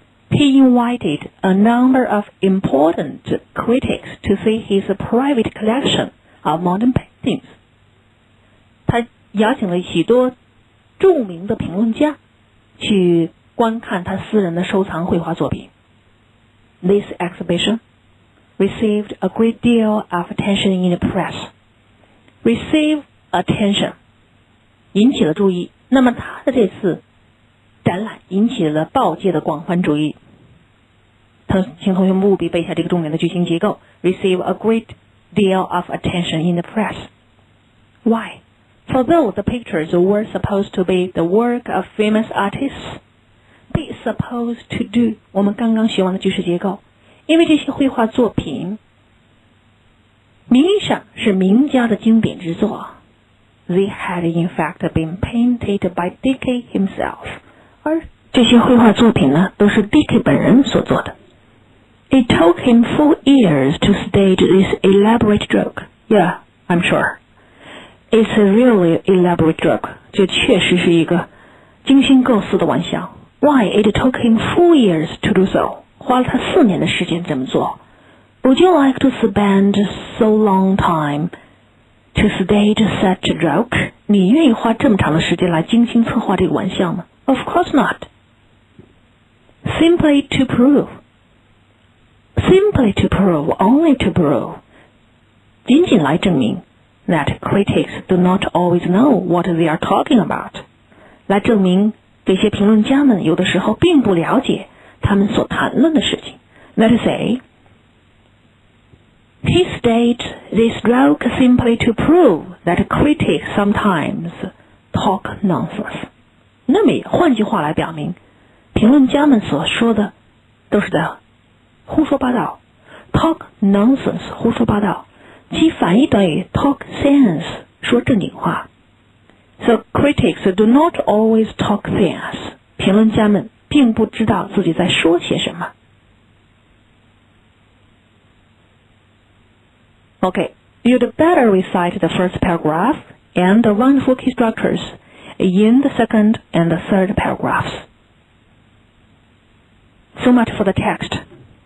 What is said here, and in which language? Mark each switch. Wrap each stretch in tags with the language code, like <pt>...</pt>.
<en>He invited a number of important critics to see his private collection of modern paintings.</en> <zh>他邀请了许多著名的评论家去观看他私人的收藏绘画作品。</zh> <en>This exhibition received a great deal of attention in the press. Receive attention.</en> <zh>引起了注意。那么他的这次展览引起了报界的广泛注意。请同学们务必背下这个重点的句型结构。</zh> <en>Receive a great deal of attention in the press. Why? For though the pictures were supposed to be the work of famous artists, be supposed to do,</en> <zh>我们刚刚学完的句式结构。因为这些绘画作品名义上是名家的经典之作。</zh> <en>They had in fact been painted by Dickie himself.</en> <zh>这些绘画作品呢都是 Dickie 本人所做的。</zh> <en>It took him 4 years to stage this elaborate joke. Yeah, I'm sure. It's a really elaborate joke.</en> <zh>这确实是一个精心构思的玩笑。</zh> <en>Why it took him 4 years to do so?</en> <zh>花了他4年的时间这么做。</zh> <en>Would you like to spend so long time to stage such a joke?</en> <zh>你愿意花这么长的时间来精心策划这个玩笑吗？</zh> <en>Of course not. Simply to prove, only to prove.</en> <zh>仅仅来证明</zh> <en>that critics do not always know what they are talking about.</en> <zh>来证明这些评论家们有的时候并不了解他们所谈论的事情。</zh> <en>Let us say, he staged this joke simply to prove that critics sometimes talk nonsense.</en> <zh>那么换句话来表明，评论家们所说的都是在胡说八道。</zh> <en>Talk nonsense,</en> <zh>胡说八道，其反义短语</zh> <en>talk sense,</en> <zh>说正经话。</zh> <en>So critics do not always talk things.</en> <zh>评论家们并不知道自己在说些什么。</zh> <en>OK, you'd better recite the first paragraph and the wonderful key structures in the second and the third paragraphs. So much for the text.</en>